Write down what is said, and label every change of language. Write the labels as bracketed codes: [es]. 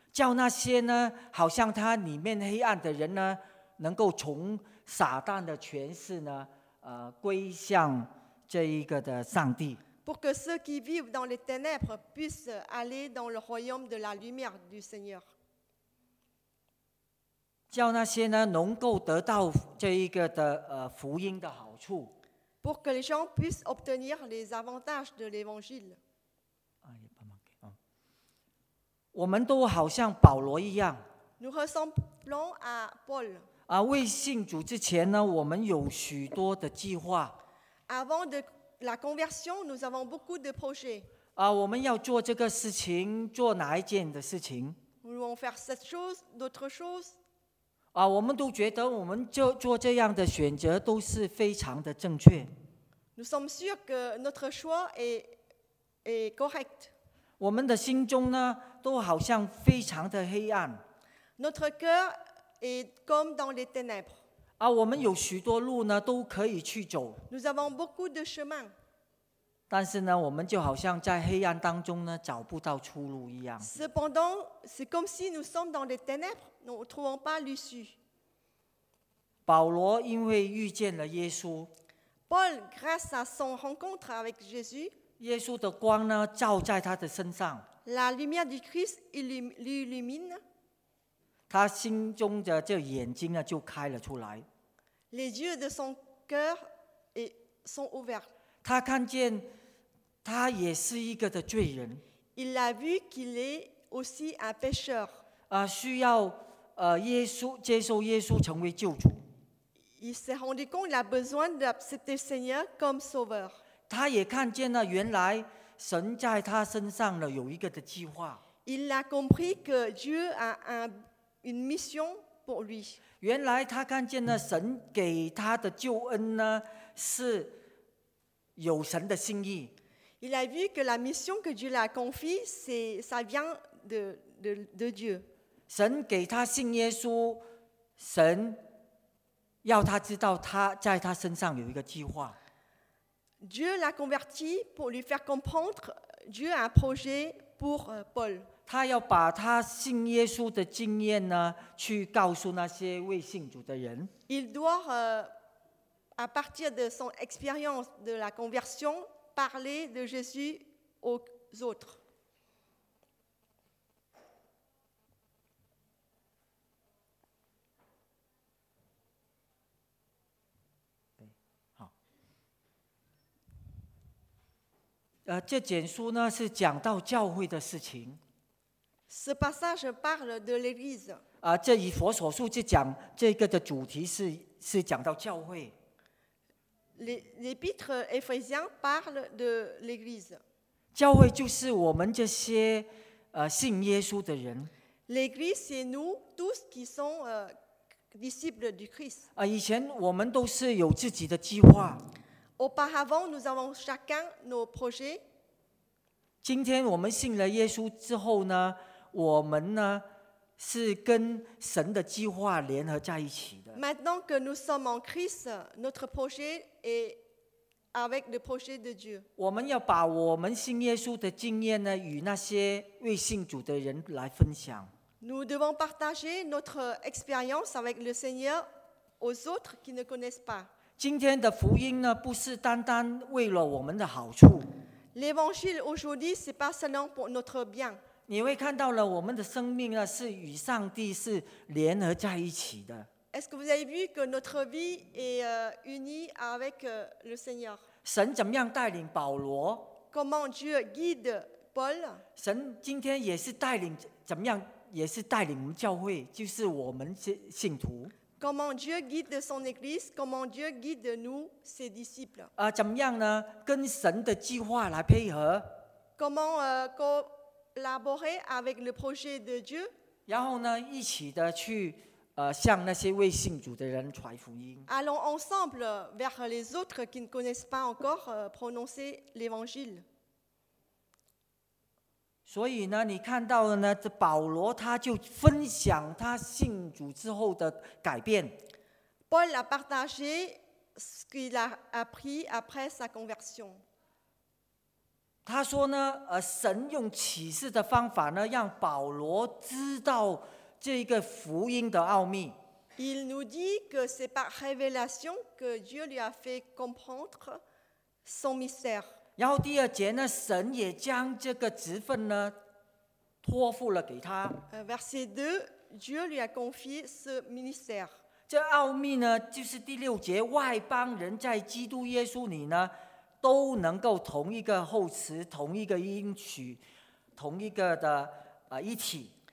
[zh] 叫那些呢，好像他里面黑暗的人呢，能够从撒旦的权势呢，归向这一个的上帝。 [fr] Pour que ceux qui vivent dans les ténèbres puissent aller dans le royaume de la lumière du Seigneur. [zh] 叫那些呢，能够得到这一个的福音的好处。 [fr] Pour que les gens puissent obtenir les avantages de l'évangile. [zh] 我们都好像保罗一样。 [fr] Nous ressemblons à Paul. [zh] 未信主之前呢，我们有许多的计划。 [fr] Avant de la conversion, nous avons beaucoup de projets. [zh] 我们要做这个事情，做哪一件的事情？ [fr] Nous voulons faire cette chose, d'autre chose. [zh] 我们都觉得我们做这样的选择都是非常的正确。 [fr] Nous sommes sûrs que notre choix est correct. [zh] 我们的心中呢，都好像非常的黑暗。 [fr] Notre cœur est comme dans les ténèbres. [zh] 我们有许多路呢，都可以去走。 [fr] Nous avons beaucoup de chemin. [zh] 但是呢，我们就好像在黑暗当中呢，找不到出路一样。 [fr] Cependant, c'est comme si nous sommes dans les ténèbres. Nous ne trouvons pas l'issue. [zh] 保罗因为遇见了耶稣。 [fr] Paul, grâce à son rencontre avec Jésus, [zh] 耶稣的光呢，照在他的身上。 [fr] La lumière du Christ l'illumine. [zh] 他心中的这眼睛呢，就开了出来。 [fr] Les yeux de son cœur sont ouverts. [zh] 他看见他也是一个的罪人。 [fr] Il a vu qu'il est aussi un pécheur. [zh] 需要耶稣接受耶稣成为救主。 [fr] Il s'est rendu compte qu'il a besoin d'accepter le Seigneur comme sauveur. [zh] 他也看见了原来神在他身上有一个的计划。 [fr] Il a compris que Dieu a une mission pour lui. [zh] 原来他看见了神给他的救恩呢，是有神的心意。 [fr] Il a vu que la mission que Dieu l'a confiée, c'est ça vient de Dieu. [zh] 神给他信耶稣，神要他知道他在他身上有一个计划。 [fr] Dieu l'a converti pour lui faire comprendre Dieu a un projet pour Paul. [zh] 他要把他信耶稣的经验呢，去告诉那些未信主的人。 [fr] Il doit, à partir de son expérience de la conversion, parler de Jésus aux autres. [zh] 这简书呢是讲到教会的事情。 [fr] Ce passage parle de l'Église. [zh] 这以佛所述就讲这个的主题是讲到教会。 [fr] L'épître Éphésien parle de l'Église. [zh] 教会就是我们这些信耶稣的人。 [fr] L'Église c'est nous tous qui sommes disciples du Christ. [zh] 以前我们都是有自己的计划。 [fr] Auparavant, nous avons chacun nos projets. [zh] 今天我们信了耶稣之后呢，我们呢是跟神的计划联合在一起的。 [fr] Maintenant que nous sommes en Christ, notre projet est avec le projet de Dieu. [zh] 我们要把我们信耶稣的经验呢，与那些未信主的人来分享。 [fr] Nous devons partager notre expérience avec le Seigneur aux autres qui ne connaissent pas. [zh] 今天的福音呢，不是单单为了我们的好处。 [fr] L'évangile aujourd'hui, c'est pas seulement pour notre bien. [zh] 你会看到了我们的生命呢，是与上帝是联合在一起的。 [fr] Est-ce que vous avez vu que notre vie est unie avec le Seigneur? [zh] 神怎么样带领保罗 [fr] ？Comment Dieu guide Paul? [zh] 神今天也是带领怎么样，也是带领我们教会，就是我们信徒。 [fr] Comment Dieu guide son Église? Comment Dieu guide nous, ses disciples? [zh] 怎么样呢？跟神的计划来配合。 [fr] Comment collaborer avec le projet de Dieu? [zh] 然后呢，一起的去向那些未信主的人传福音。 [fr] Allons ensemble vers les autres qui ne connaissent pas encore prononcer l'Évangile. [zh] 所以呢，你看到了呢，这保罗他就分享他信主之后的改变。 [fr] Paul a partagé ce qu'il a appris après sa conversion. [zh] 他说呢，神用启示的方法呢，让保罗知道这个福音的奥秘。 [fr] Il nous dit que c'est par révélation que Dieu lui a fait comprendre son mystère. [zh] 然后第二节呢，神也将这个职分呢托付了给他。 [fr] Verset 2, Dieu lui a confié ce ministère. [zh] 这奥秘呢，就是第六节，外邦人在基督耶稣里呢，都能够同一个后词，同一个音曲，同一个的一体。